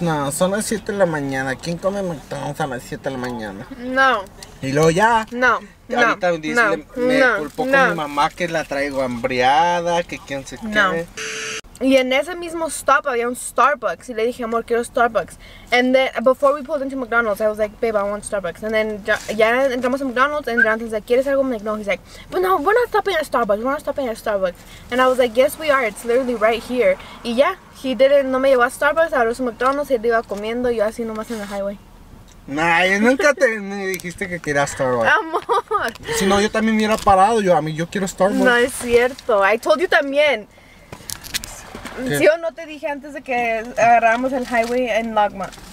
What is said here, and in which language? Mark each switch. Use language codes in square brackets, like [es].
[es] No, son las 7 de la mañana. ¿Quién come McDonald's a las 7 de la mañana? No. Y luego ya. No. Y ahorita no, dice, me culpo con mi mamá que la traigo hambriada, que quién se quede. Y en ese mismo stop había un Starbucks. Y le dije, amor, quiero Starbucks. [en] And then, before we pulled into McDonald's, I was like, babe, I want Starbucks. And then, [es] ya entramos a McDonald's, [en] and Jonathan's like, [es] ¿quieres algo? [en] I'm like, no. He's like, but no, we're not stopping at Starbucks. We're not stopping at Starbucks. And I was like, yes, we are. It's literally right here. [es] Y ya, [en] he didn't, [es] no me llevó a Starbucks. Ahora es McDonald's, él iba comiendo, yo así nomás en el highway. Nah, yo nunca te me dijiste que querías Starbucks. Amor. Si no, yo también me hubiera parado. Yo, a mí, yo quiero Starbucks. No, es cierto. [en] I told you [es] también. ¿Qué? ¿Sí o no te dije antes de que agarramos el highway en Logma?